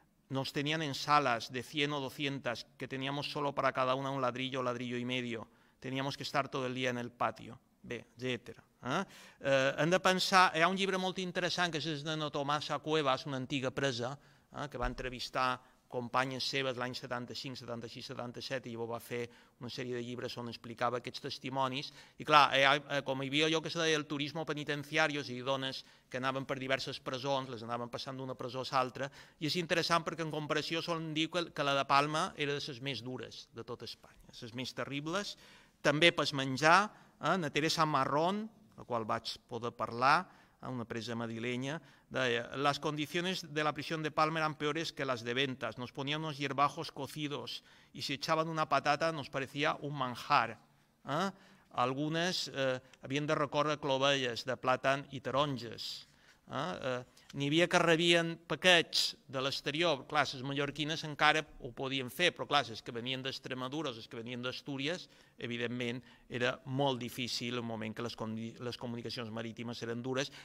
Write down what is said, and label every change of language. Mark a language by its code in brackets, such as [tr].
[es] Nos tenían en salas de 100 o 200, que teníamos solo para cada una un ladrillo o ladrillo y medio. Teníamos que estar todo el día en el patio, bé, etc. [ca] Hem de pensar, hi ha un llibre molt interessant, que és de Tomasa Cuevas, una antiga presa, que va entrevistar companyes seves l'any 75, 76, 77, i va fer una sèrie de llibres on explicava aquests testimonis. I clar, com hi havia allò que se deia el turismo penitenciario, i dones que anaven per diverses presons, les anaven passant d'una presó a l'altra, i és interessant perquè en comparació solen dir que la de Palma era de les més dures de tot Espanya, les més terribles. També pas menjar, na Teresa Marrón, la qual vaig poder parlar, una presa madrileña, deia: [es] las condiciones de la prisión de Palma eran peores que las de Ventas. Nos ponían unos hierbajos cocidos y si echaban una patata nos parecía un manjar. [ca] Algunes havien de recórrer clovelles de plàtan i taronges. N'hi havia que rebien paquets de l'exterior. Clar, les mallorquines encara ho podien fer, però clar, les que venien d'Extremadura, les que venien d'Astúries, evidentment era molt difícil el moment que les comunicacions marítimes eren dures.